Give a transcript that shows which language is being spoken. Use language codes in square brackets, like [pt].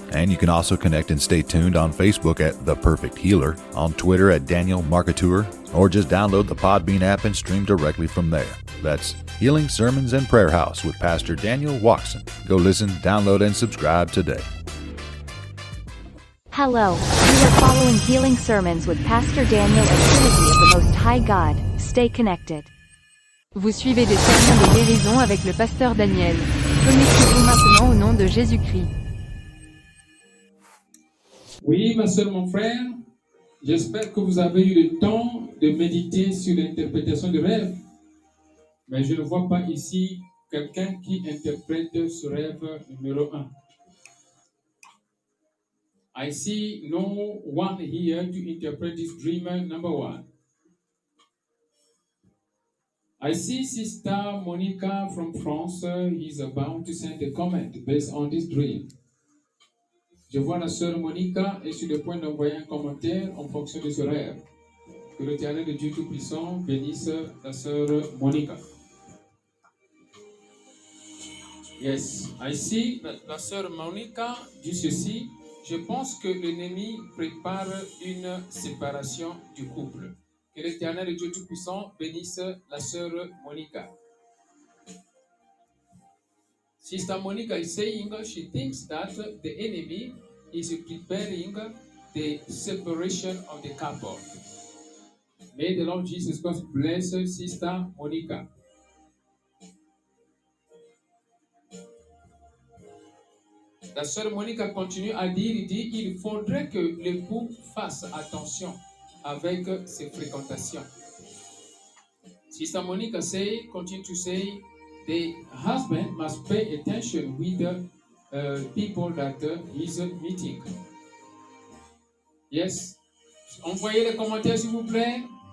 [en] And you can also connect and stay tuned on Facebook at The Perfect Healer, on Twitter at Daniel Marketeur, or just download the Podbean app and stream directly from there. That's Healing Sermons and Prayer House with Pastor Daniel Watson. Go listen, download, and subscribe today. Hello, you are following Healing Sermons with Pastor Daniel and Trinity of the Most High God. Stay connected. [fr] Vous suivez des sermons de guérison avec le pasteur Daniel. Connectez-vous maintenant au nom de Jésus-Christ. Oui, ma soeur, mon frère, j'espère que vous avez eu le temps de méditer sur l'interprétation du rêve. Mais je ne vois pas ici quelqu'un qui interprète ce rêve numéro 1. [en] I see no one here to interpret this dream number 1. I see Sister Monica from France. He's about to send a comment based on this dream. [fr] Je vois la sœur Monica est sur le point d'envoyer un commentaire en fonction de ce rêve. Que l'Éternel de Dieu Tout-Puissant bénisse la sœur Monica. [en] Yes, I see [fr] la sœur Monica dit ceci. Je pense que l'ennemi prépare une séparation du couple. Que l'Éternel Dieu Tout-Puissant bénisse la sœur Monica. [en] Sister Monica is saying she thinks that the enemy is preparing the separation of the couple. May the Lord Jesus Christ bless Sister Monica. [fr] La sœur Monica continue à dire, il dit, il faudrait que l'époux fasse attention avec ses fréquentations. [en] Sister Monica say, continue to say, the husband must pay attention with people that he's meeting. Yes? [fr] Envoyez les commentaires, s'il vous plaît.